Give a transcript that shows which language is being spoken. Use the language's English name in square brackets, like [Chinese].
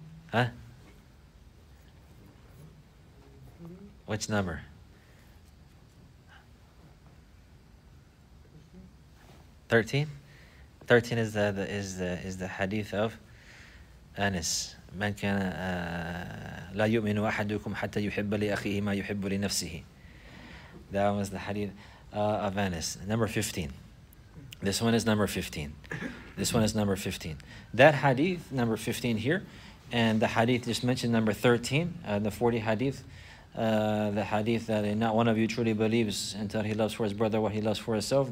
[English] Huh? Which number? Thirteen is the hadith of Anas. [Arabic] من كان لا يؤمن أحدكم حتى يحب لأخيه ما يحب لنفسه. [English] That was the hadith of Anas. Number 15. This one is number 15. This one is number 15. That hadith, number 15 here, and the hadith just mentioned number 13, the 40 hadith. The hadith that not one of you truly believes until he loves for his brother what he loves for himself.